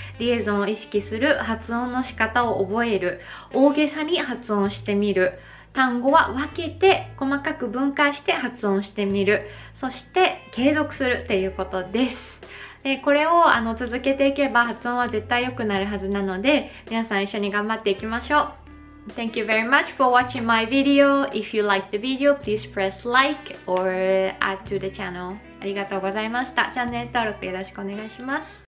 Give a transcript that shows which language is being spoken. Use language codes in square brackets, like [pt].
[ja] リエゾンを意識する、発音の仕方を覚える、大げさに発音してみる、単語は分けて細かく分解して発音してみる、そして継続するっていうことです。で、これを続けていけば発音は絶対良くなるはずなので、皆さん一緒に頑張っていきましょう。 [en] Thank you very much for watching my video. If you like the video, please press like or add to the channel. [ja] ありがとうございました。チャンネル登録よろしくお願いします。